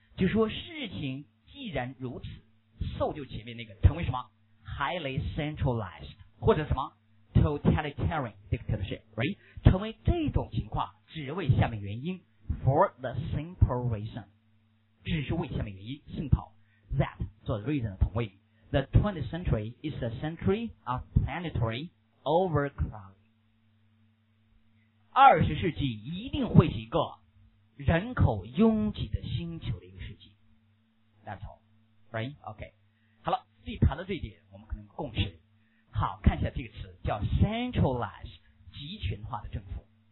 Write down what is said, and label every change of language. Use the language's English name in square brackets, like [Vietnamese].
[Chinese] 就说事情既然如此 ，so 就前面那个成为什么 ？ highly centralized 或者什么 totalitarian dictatorship， right？成为这种情况，只为下面原因 ， for the simple reason，只是为下面原因 ， simple that 做 reason 的同位语。 [English] The 20th century is a century of planetary overcrowding。 [Chinese] 20世纪一定会是一个。人口拥挤的星球的一个世纪 ， That's all， right？ OK， 好了，自己谈到这一点，我们可能有共识。好，看一下这个词，叫 centralized， 集权化的政府。